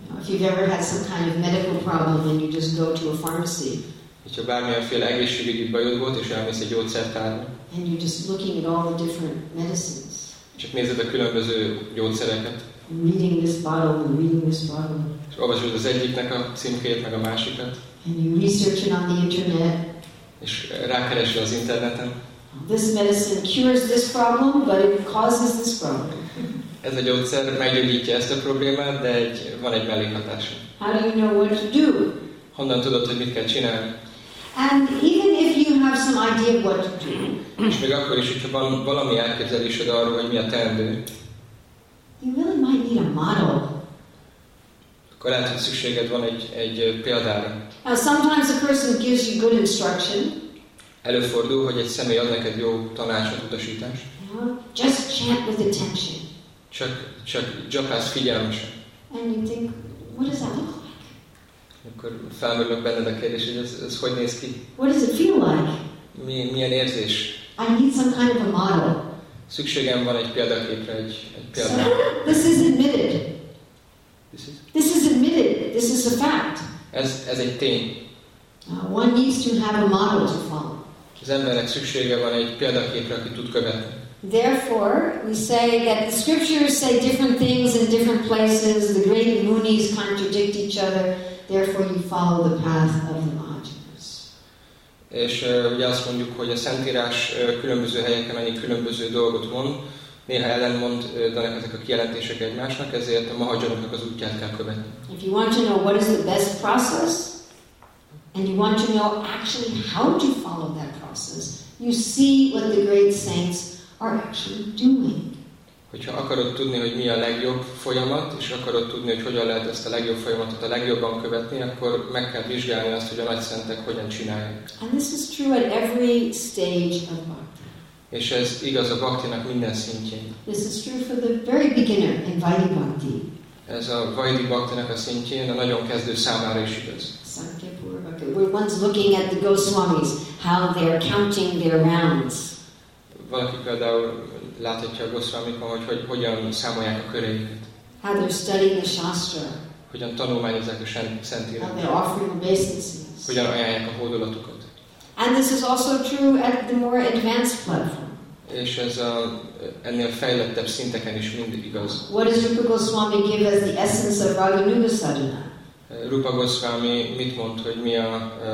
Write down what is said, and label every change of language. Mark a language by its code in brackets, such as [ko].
[en] If you've ever had some kind of medical problem, then you just go to a pharmacy. [hu] Hogyha bármilyenféle egészségügyi bajod volt, és elmész egy gyógyszertárba. [en] And you're just looking at all the different medicines. [hu] Csak nézed a különböző gyógyszereket. [en] Reading this bottle and reading this bottle. [hu] És olvasod az egyiknek a címkét, meg a másikat. [en] And you research it on the internet. [hu] És rákeresi az interneten. [en] This medicine cures this problem, but it causes this problem. [hu] Ez a gyógyszer meggyógyítja ezt a problémát, de egy, van egy mellékhatása. [en] How do you know what to do? [hu] Honnan tudod, hogy mit kell csinálni? [en] And even if you have some idea what to do. [hu] És még akkor is, hogyha van valami elképzelésed arról, hogy mi a teendő. [en] You really might need a model. [hu] Akkor lehet, hogy szükséged van egy példára. [en] Now sometimes a person gives you good instruction. [hu] Előfordul, hogy egy személy ad neked jó tanácsot, utasítást. [en] Just chant with attention. [hu] Csak gyakász figyelmesen. [en] And you think, what does that look like? [hu] Akkor felmerülök benned a kérdés, hogy ez hogy néz ki? [en] What does it feel like? [hu] Milyen érzés? [en] I need some kind of a model. [hu] Szükségem van egy példaképre, egy példa. [en] So, this is admitted. This is admitted. This is a fact. [hu] Ez egy tény. [en] One needs to have a model to follow. [hu] Az embernek szüksége van egy példaképre, aki tud követni. [en] Therefore, we say that the scriptures say different things in different places. The great munis contradict each other. Therefore, you follow the path of the Mahajanas. [hu] És ugye azt mondjuk, hogy a Szentírás különböző helyeken annyi különböző dolgot mond, néha ellentmondanak ezek a kijelentések egymásnak, ezért a Mahajanoknak az útját kell követni. [en] If you want to know what is the best process, and you want to know actually how to follow that process, you see what the great saints are actually doing. [hu] Hogyha akarod tudni, hogy mi a legjobb folyamat, és akarod tudni, hogy hogyan lehet ezt a legjobb folyamatot a legjobban követni, akkor meg kell vizsgálni azt, hogy a nagy szentek hogyan csinálják. [en] And this is true at every stage of bhakti. [hu] És ez igaz a bhaktinak minden szintjén. [en] This is true for the very beginner in vaidhi bhakti. [hu] Ez a vaidhi bhaktinak a szintjén a nagyon kezdő számára is igaz. [en] We're once looking at the Goswamis, how they're counting their rounds. [hu] Valaki például láthatja a Goswamikon, hogy hogyan számolják a köreiket. [en] How they're studying the Shastra. [hu] Hogyan tanulmányozzák a szentírást. [en] How they're offering obeisances. [hu] Hogyan ajánlják a hódolatukat. [en] And this is also true at the more advanced platform. [hu] És ez ennél fejlettebb szinteken is mindig igaz. [en] What does Rupa Goswami give as the essence of Raghunuga Sadhana? [hu] Rupa Goswami mit mond, hogy mi a